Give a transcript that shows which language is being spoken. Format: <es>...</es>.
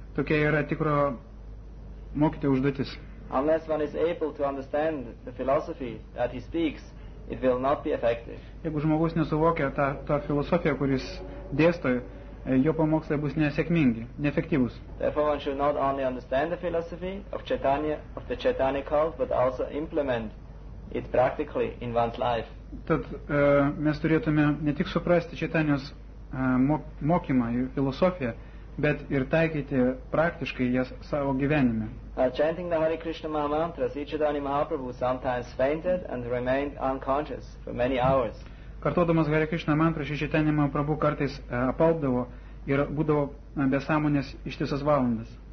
<lt>Tokia yra tikro mokyti užduotis.</lt> <en>Unless one is able to understand the philosophy that he speaks, it will not be effective.</en> <lt>Jeigu žmogus nesuvokia tą filosofiją, kuris dėsto, jo pamokslai bus nesėkmingi, neefektyvus.</lt> <en>Therefore, one should not only understand the philosophy of the Chaitanya cult, but also implement it practically in one's life.</en> <lt>Tad mes turėtume ne tik suprasti Čaitanijos mokymą ir filosofiją, bet ir taikyti praktiškai jas savo gyvenime.</lt> <en>Chanting the Hare Krishna Maha Mantra, Sri Chaitanya Mahaprabhu sometimes fainted and remained unconscious for many hours.</en> <lt>Kartodamas Hare Krishna Mantra, Sri Chaitanya Mahaprabhu kartais apalpdavo ir būdavo be sąmonės ištisas valandas.</lt>